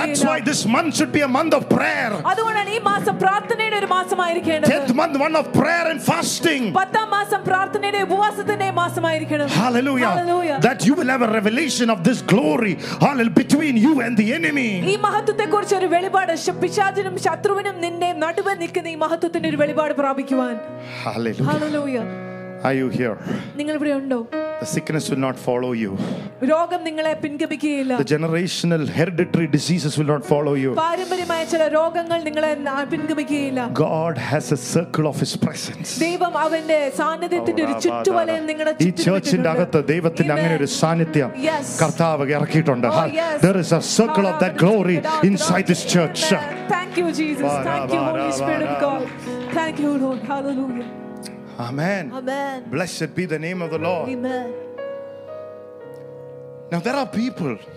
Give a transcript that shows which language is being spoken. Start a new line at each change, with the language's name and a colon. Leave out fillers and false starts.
English: That's why this month should be a month of prayer
Malayalam: അതുകൊണ്ടാണ് ഈ മാസം പ്രാർത്ഥനയുടെ ഒരു മാസമായിരിക്കേണ്ടത്
English: 10th month one of prayer and fasting
Malayalam: 10th മാസം പ്രാർത്ഥനയുടെ ഉപവാസത്തിന്റെ മാസമായിരിക്കേണ്ടത്
English: Hallelujah that you will have a revelation of this glory hallel between you and the enemy
Malayalam: ഈ മഹത്വത്തെ കുറിച്ച് ഒരു വെളിപാട് പിശാചിനും ശത്രുവിനും നിന്റെ നടുവെ നിൽക്കുന്ന ഈ മഹത്വത്തിന്റെ ഒരു വെളിപാട് പ്രാപിക്കുവാൻ
English: Hallelujah Are you here
Malayalam: നിങ്ങൾ ഇവിടെ ഉണ്ടോ
English: The sickness will not follow you.
Malayalam: രോഗം നിങ്ങളെ പിൻഗമിക്കുകയില്ല.
English: The generational hereditary diseases will not follow you.
Malayalam: പാരമ്പര്യമായ ചില രോഗങ്ങൾ നിങ്ങളെ പിൻഗമിക്കുകയില്ല.
English: God has a circle of his presence.
Malayalam: ദൈവം അവന്റെ സാന്നിധ്യത്തിന്റെ ഒരു ചുറ്റുവലയം നിങ്ങളെ ചുറ്റിയിട്ടുണ്ട്. ഈ ചർച്ചിന്റെ അകത്ത് ദൈവത്തിന്റെ അങ്ങനെ ഒരു സാന്നിധ്യം കർത്താവ് ഇറക്കിയിട്ടുണ്ട്.
English: There is a circle of that glory inside this church. Thank you Jesus. Thank you Holy Spirit of God. Thank you Lord. Hallelujah. Amen. Amen. Blessed be the name of the Lord. Amen. Now there are people.